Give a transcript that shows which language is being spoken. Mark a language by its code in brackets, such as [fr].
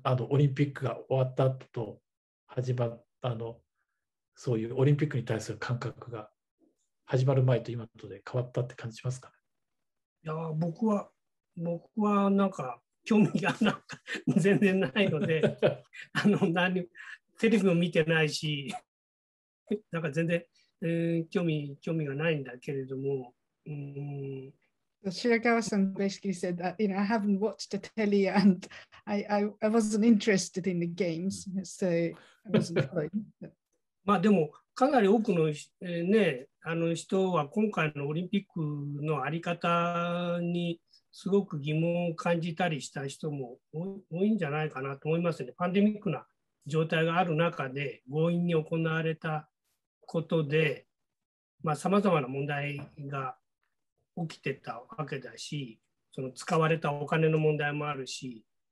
[ja] オリンピックが終わった後、始まったそういうオリンピックに対する感覚が始まる前と今とで変わったって感じしますか? いや、僕はなんか興味がなんか全然ないので、何テレビも見てないし、なんか全然、興味がないんだけれども、 [en] Shirakawa-san basically said that, you know, I haven't watched the telly and I wasn't interested in the games, so I wasn't following. [ja] まあでもかなり多くの、ね、人は今回のオリンピックのあり方にすごく疑問を感じたりした人も多いんじゃないかなと思いますね。パンデミックな状態がある中で強引に行われたことで、まあ、様々な問題が起きてたわけだし、その使われたお金の問題もあるし、